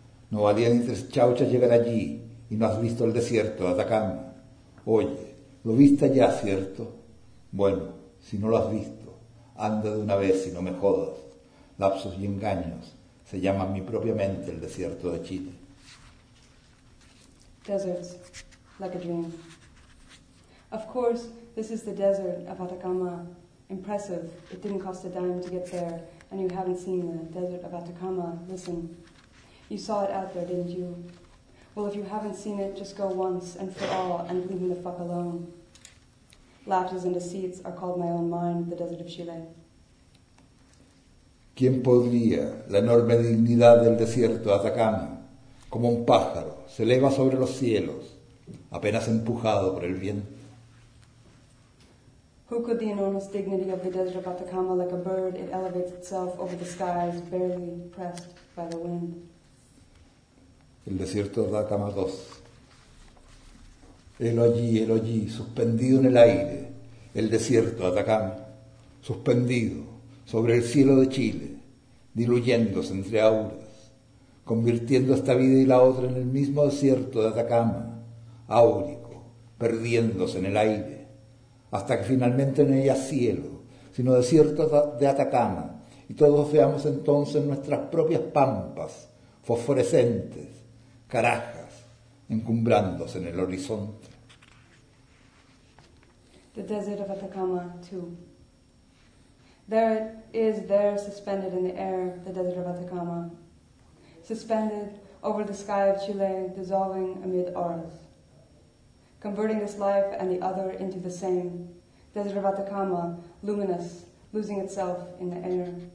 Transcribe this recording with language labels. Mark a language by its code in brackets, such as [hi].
[es] No valía ni tres chauchas llegar allí y no has visto el desierto de Atacama. Oye, lo viste ya, ¿cierto? Bueno, si no lo has visto, anda de una vez y no me jodas. Lapsos y engaños se llaman mi propia mente el desierto de Chile. [en] Deserts, like a dream. Of course, this is the desert of Atacama. Impressive, it didn't cost a dime to get there, and you haven't seen the desert of Atacama, listen. You saw it out there, didn't you? Well, if you haven't seen it, just go once and for all and leave me the fuck alone. Lapses and deceits are called my own mind, the desert of Chile. [es] ¿Quién podría la enorme dignidad del desierto de Atacama? Como un pájaro, se eleva sobre los cielos. apenas empujado por el viento. [en] Who could the enormous dignity of the desert of Atacama, like a bird, it elevates itself over the skies, barely pressed by the wind. [es] El desierto de Atacama 2. Él allí, suspendido en el aire, el desierto de Atacama, suspendido sobre el cielo de Chile, diluyéndose entre auras, convirtiendo esta vida y la otra en el mismo desierto de Atacama, áurico, perdiéndose en el aire, hasta que finalmente no haya cielo, sino desierto de Atacama, y todos veamos entonces nuestras propias pampas, fosforescentes, carajas, encumbrándose en el horizonte. [en] The desert of Atacama, too. There it is, there suspended in the air, the desert of Atacama. Suspended over the sky of Chile, dissolving amid auras. Converting this life and the other into the same. Desert of Atacama, luminous, losing itself in the air.